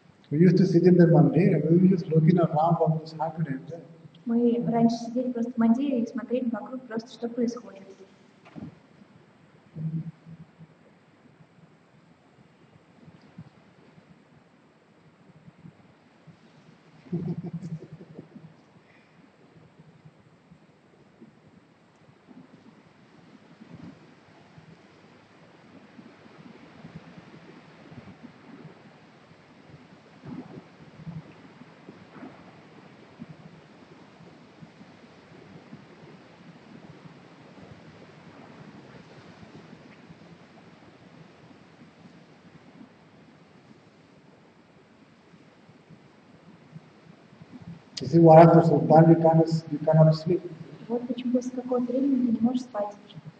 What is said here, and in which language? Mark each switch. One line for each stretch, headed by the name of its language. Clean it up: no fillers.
English: We used to sit in the mandir and we were just looking around what was happening there.
Russian: Мы раньше сидели просто в мандире и смотрели вокруг просто, что происходит.
English: You see, why after some time you cannot sleep.
Russian: Вот почему после какого-то времени ты не можешь спать уже.